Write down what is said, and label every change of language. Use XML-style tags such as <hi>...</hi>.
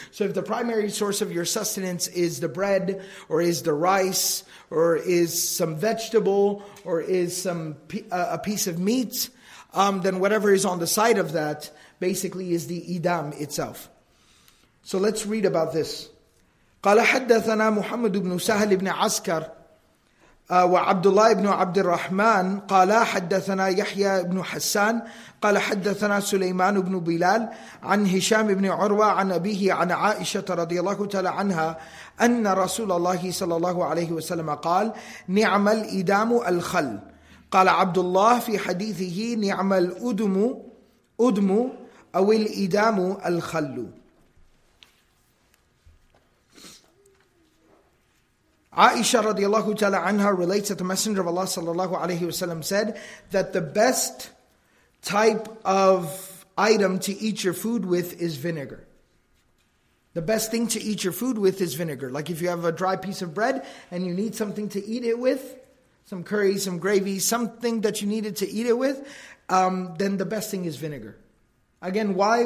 <en>So if the primary source of your sustenance is the bread, or is the rice, or is some vegetable, or is some a piece of meat, then whatever is on the side of that basically is the idam itself. So let's read about this.</en> <ar>قَالَ حَدَّثَنَا مُحَمَّدُ بْنُ سَهَلِ بْنِ عَسْكَرِ وعبد الله بن عبد الرحمن قال حدثنا يحيى بن حسان قال حدثنا سليمان بن بلال عن هشام بن عروة عن أبيه عن عائشة رضي الله تعالى عنها أن رسول الله صلى الله عليه وسلم قال نعم الإدام الخل قال عبد الله في حديثه نعم الأدم أدم أو الإدام الخل.</ar> <en>Aisha radiallahu ta'ala anha relates that the Messenger of Allah sallallahu alayhi wa sallam said that the best type of item to eat your food with is vinegar. The best thing to eat your food with is vinegar. Like if you have a dry piece of bread and you need something to eat it with, some curry, some gravy, something that you needed to eat it with, then the best thing is vinegar. Again, why?</en>